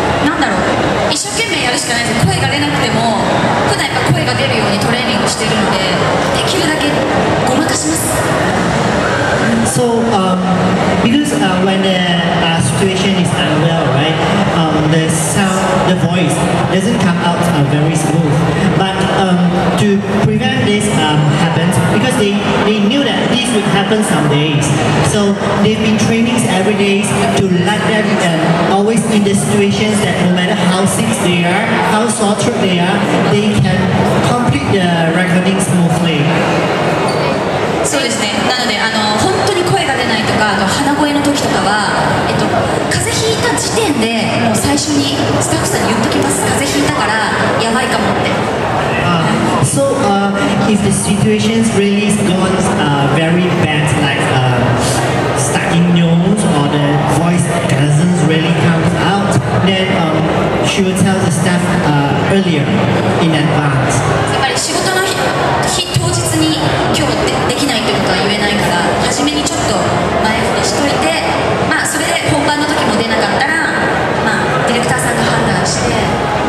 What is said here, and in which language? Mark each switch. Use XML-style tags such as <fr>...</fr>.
<ja>なんだろう、一生懸命やるしかないです。声が出なくても、普段やっぱ声が出るようにトレーニングしてるので、できるだけごまかします。</ja> <en>So, because when the situation is unwell, right, the sound, the voice doesn't come out very smooth. But to prevent this happens, because they knew that this would happen some days. So they've been training every day to let them always in the situations that no matter how sick they are, how sore throat they are, they can complete the recording smoothly.</en> <ja>そうですね、なので本当に声が出ないとか、あと鼻声の時とかは、風邪ひいた時点でもう最初にスタッフさんに言っときます。風邪ひいたからやばいかもって。</ja> <en>If the situation really gone very bad, like stuck in nose or the voice doesn't really come out, then she will tell the staff earlier in advance.</en> <ja>つまり仕事の日当日に今日できないということは言えないから、初めにちょっと前振りしといて、まあそれで本番の時も出なかったら、まあディレクターさんが判断して。</ja>